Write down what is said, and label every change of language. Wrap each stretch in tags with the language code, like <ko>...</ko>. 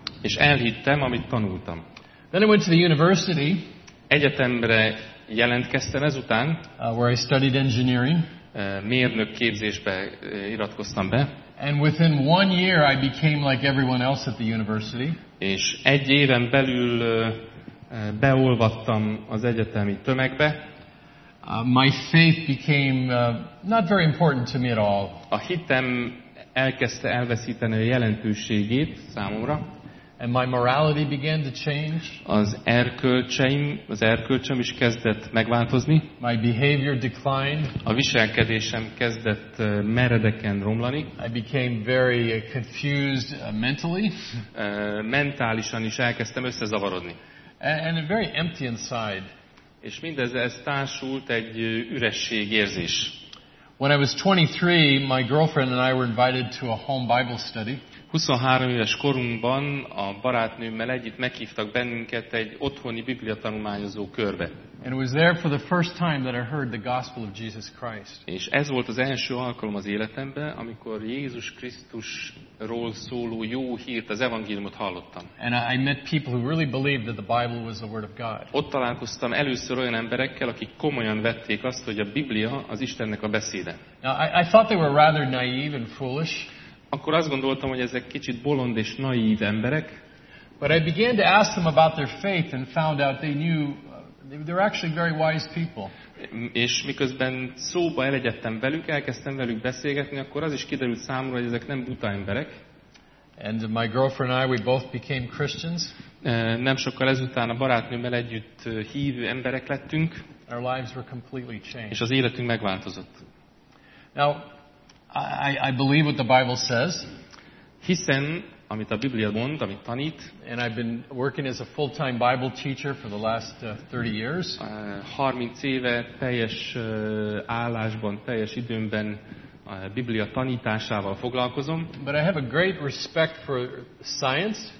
<hu>És elhittem, amit tanultam.</hu> <en>Then I went to the university.</en> <hu>Egyetemre jelentkeztem ezután.</hu> <en>Where I studied engineering.</en> <hu>Mérnök képzésbe iratkoztam be.</hu> <en>And within one year I became like everyone else at the university.</en> <hu>És egy éven belül beolvadtam az egyetemi tömegbe.</hu> <en>My faith became not very important to me at all.</en> <hu>A hitem elkezdte elveszíteni a jelentőségét számomra.</hu> <en>And my morality began to change.</en> <hu>Az erkölcsem is kezdett megváltozni.</hu> <en>My behavior declined.</en> <hu>A viselkedésem kezdett meredeken romlani.</hu> <en>I became very confused mentally.</en> <hu>Mentálisan is elkezdtem összezavarodni.</hu> <en>And very empty inside.</en> <hu>És mindez társult egy ürességérzés.</hu> <en>When I was 23, my girlfriend and I were invited to a home Bible study.</en> <hu>23 éves korunkban a barátnőmmel együtt meghívtak bennünket egy otthoni bibliatanulmányozó körbe.</hu> <en>And it was there for the first time that I heard the gospel of Jesus Christ.</en> <hu>És ez volt az első alkalom az életemben, amikor Jézus Krisztusról szóló jó hírt, az evangéliumot hallottam.</hu> <en>And I met people who really believed that the Bible was the word of God.</en> <hu>Ott találkoztam először olyan emberekkel, akik komolyan vették azt, hogy a Biblia az Istennek a beszéde.</hu> <en>Now, I thought they were rather naive and foolish.</en> <hu>Akkor azt gondoltam, hogy ezek kicsit bolond és naív emberek.</hu> <en>But I began to ask them about their faith and found out they knew They're actually very wise people.</en> <hu>És miközben szóba elegyedtem velük, elkezdtem velük beszélgetni, akkor az is kiderült számra, hogy ezek nem buta emberek.</hu> <en>And my girlfriend and I, we both became Christians.</en> <hu>Nem sokkal ezután a barátnőmmel együtt hívő emberek lettünk.</hu> <en>Our lives were completely changed.</en> <hu>És az életünk megváltozott.</hu> <en>Now, I believe what the Bible says.</en> <hu>Hiszen, amit a Biblia mond, amit tanít.</hu> <en>And I've been working as a full-time Bible teacher for the last 30 years.</en> <hu>30 éve teljes állásban, teljes időmben a Biblia tanításával foglalkozom.</hu> <en>But I have a great respect for science.</en>